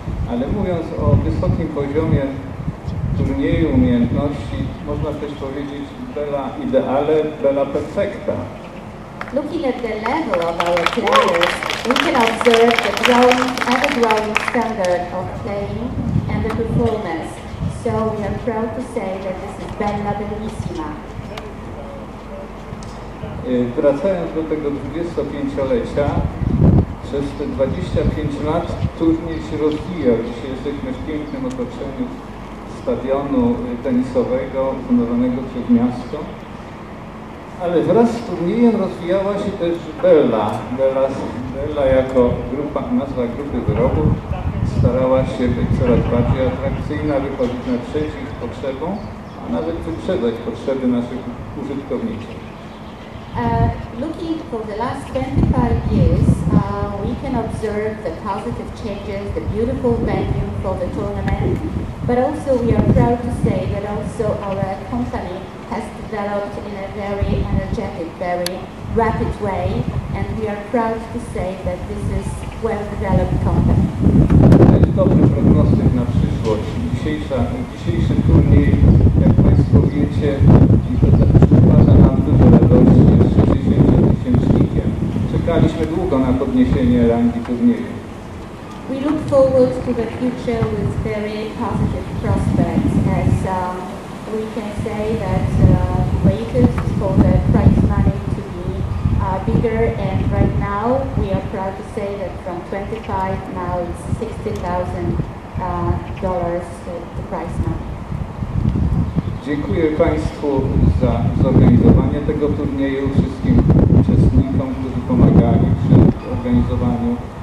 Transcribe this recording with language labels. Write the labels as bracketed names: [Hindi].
[Polish] Ale mówiąc o wysokim poziomie turnieju umiejętności, można też powiedzieć Bella Ideale, Bella Perfecta. [English] Looking at the level of our players, we can observe the growing, ever-growing standard of playing and the performance. So we are proud to say that this is Bella Bellissima. [Polish] Wracając do tego 25-lecia, przez te 25 lat turniej się rozwijał. Dzisiaj jesteśmy w pięknym otoczeniu stadionu tenisowego, honorowanego przez miasto. Ale wraz z turniejem rozwijała się też Bella. Bella jako grupa, nazwa grupy wyrobów. Starała się być coraz bardziej atrakcyjna, wychodzić na trzecich potrzebą, a nawet wyprzedzać potrzeby naszych użytkowników. [English] Looking for the last 25 years, we can observe the positive changes, the beautiful venue for the tournament, but also we are proud to say that also our company has developed in a very energetic, very rapid way, and we are proud to say that this is well-developed company. [Polish] Dobry prognostyk na przyszłość. Dzisiejszy turniej, jak Państwo wiecie, przyważa nam dużo radości z 60-tysięcznikiem. Czekaliśmy długo na podniesienie rangi turnieju. [English] We look forward to the future with very positive prospects, as we can say that waited for the prize money to be bigger, and right now we are proud to say that from 25 now it's $60,000 the prize money. [Polish] Dziękuję Państwu za zorganizowanie tego turnieju, wszystkim uczestnikom, którzy pomagali przy organizowaniu.